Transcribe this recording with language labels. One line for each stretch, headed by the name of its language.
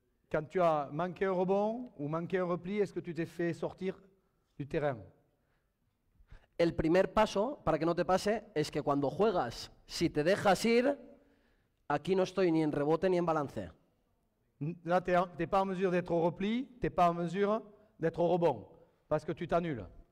French: Quand tu as manqué un rebond ou manqué un repli, est-ce que tu t'es fait sortir du terrain?
Spanish: El primer paso para que no te pase es que cuando juegas, si te dejas ir, aquí no estoy ni en rebote ni en balance.
French: Là, t'es pas en mesure d'être au repli, t'es pas en mesure d'être au rebond, parce que tu t'annules.